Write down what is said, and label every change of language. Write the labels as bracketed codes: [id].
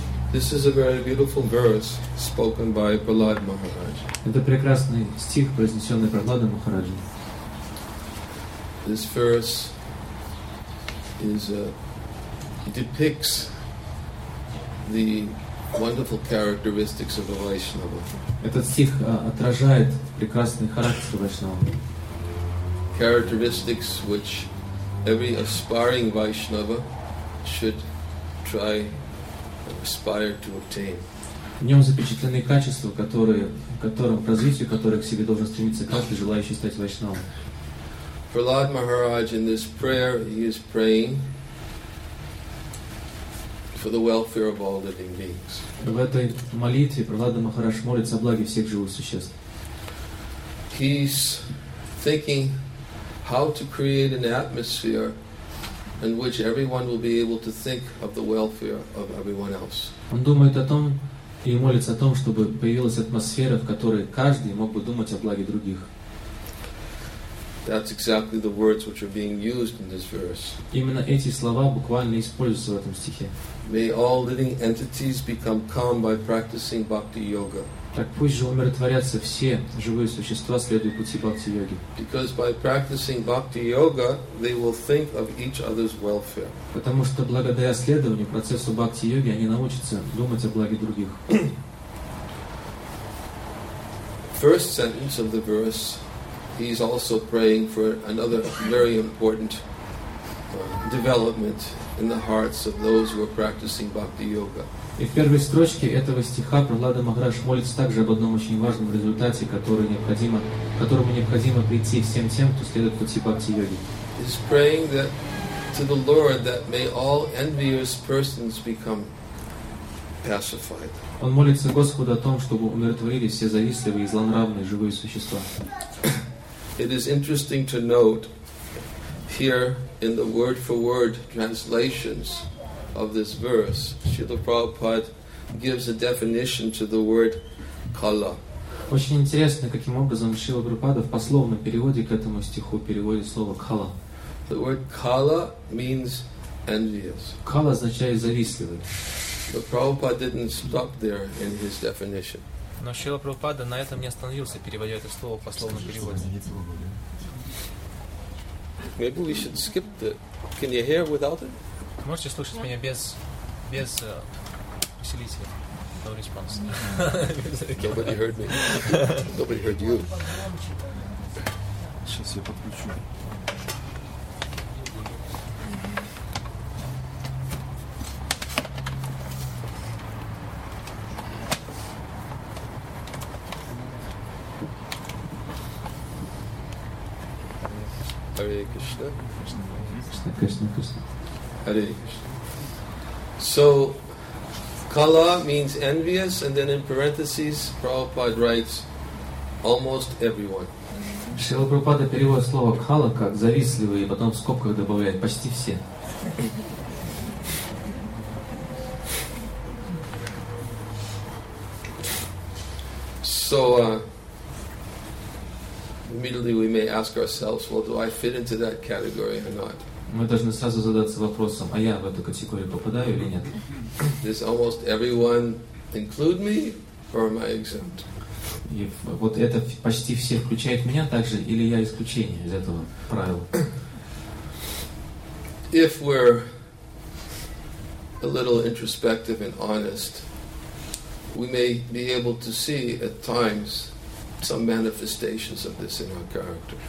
[en] This is a very beautiful verse spoken by Prahlad Maharaj. [ru] Это прекрасный стих, произнесенный Прахладом Махараджем. [en] This verse is depicts the wonderful characteristics of a Vaishnava. [ru] Этот стих отражает прекрасный характер Вайшнава. [en] Characteristics which every aspiring Vaishnava should try. Aspire to obtain. [ru] В нем запечатлены качества, которые, которым, развитию которых к себе должен стремиться каждый желающий стать вайшнавом. [en] Prahlad Maharaj in this prayer he is praying for the welfare of all living beings. [ru] В этой молитве Prahlad Maharaj молится о благе всех живых существ. [en] He's thinking how to create an atmosphere in which everyone will be able to think of the welfare of everyone else. [ru] Он думает о том и молится о том, чтобы появилась атмосфера, в которой каждый мог бы думать о благе других. [en] That's exactly the words which are being used in this verse. [ru] Именно эти слова буквально используются в этом стихе. [en] May all living entities become calm by practicing bhakti yoga. [ru] Так пусть же умиротворятся все живые существа, следуя пути бхакти-йоги. [en] Because by practicing bhakti-yoga, they will think of each other's welfare. [ru] Потому что благодаря следованию процессу бхакти-йоги, они научатся думать о благе других. [en] First sentence of the verse, he's also praying for another very important development in the hearts of those who are practicing bhakti-yoga. [ru] И в первой строчке этого стиха Прахлад Махарадж молится также об одном очень важном результате, который необходимо, которому необходимо прийти всем тем, кто следует пути бхакти-йоги. [en] He's praying that to the Lord that may all envious persons become pacified. [ru] Он молится Господу о том, чтобы умиротворились все завистливые и злонравные живые существа. [en] It is interesting to note here in the word-for-word translations of this verse, Śrīla Prabhupāda gives a definition to the word kala. [ru] Очень интересно, каким образом Шрила Прабхупада в пословном переводе к этому стиху переводит слово kala. [en] The word kala means envious. [ru] Kala означает завистливый. [en] But Prabhupada didn't stop there in his definition. [ru] Но Шрила Прабхупада на этом не остановился, переводя это слово в пословном переводе. [en] Maybe we should skip the. Can you hear without it? [ru] Можете слушать меня без усилителя? [en] No response. Nobody heard me. Nobody heard you. [ru] Сейчас я подключу. [en] Hare Krishna. Krishna, Krishna. So, kala means envious, and then in parentheses, Prabhupada writes, almost everyone. [ru] Шрила Прабхупада переводит слово кала как завистливый, и потом в скобках добавляет почти все. [en] So, immediately we may ask ourselves, well, do I fit into that category or not? [ru] Мы должны сразу задаться вопросом, а я в эту категорию попадаю или нет? [en] Does almost everyone include me, or am I exempt? [ru] И вот это почти все включает меня также, или я исключение из этого правила? [en] If we're a little introspective and honest, we may be able to see at times some manifestations of this in our character.